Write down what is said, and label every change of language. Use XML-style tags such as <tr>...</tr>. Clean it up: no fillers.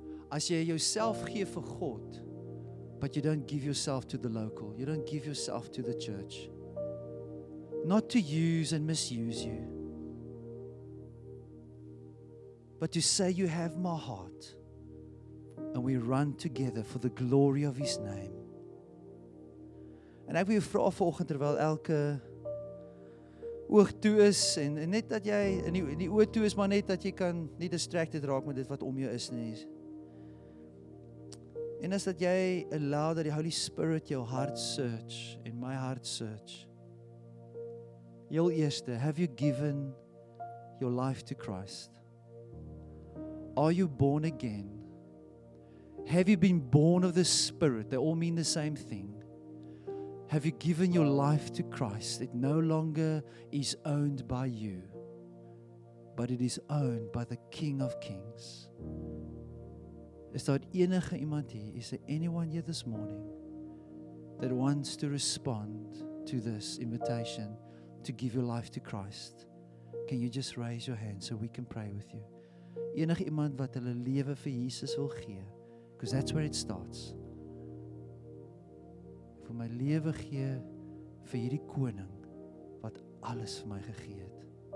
<af>As jy jouself gee vir God,</af> <en>but you don't give yourself to the local, you don't give yourself to the church. Not to use and misuse you, but to say you have my heart and we run together for the glory of his name.</en> <af>En ek wil jou vra vanoggend terwyl elke oog toe is en net dat jy in die oog toe is, maar net dat jy kan nie distracted raak met dit wat om jou is nie. En is dat jy allow dat die Holy Spirit jou heart search en my heart search. Heel eerste,</af> <en>have you given your life to Christ? Are you born again? Have you been born of the Spirit? They all mean the same thing. Have you given your life to Christ? It no longer is owned by you, but it is owned by the King of Kings.</en> <af>Is daar enige iemand hier?</af> <en>Is there anyone here this morning that wants to respond to this invitation to give your life to Christ? Can you just raise your hand so we can pray with you?</en> <af>Enige iemand wat hulle lewe vir Jesus wil gee?</af> <en>Because that's where it starts.</en> <af>Vir my lewe gee vir hierdie koning wat alles vir my gegee het.</af>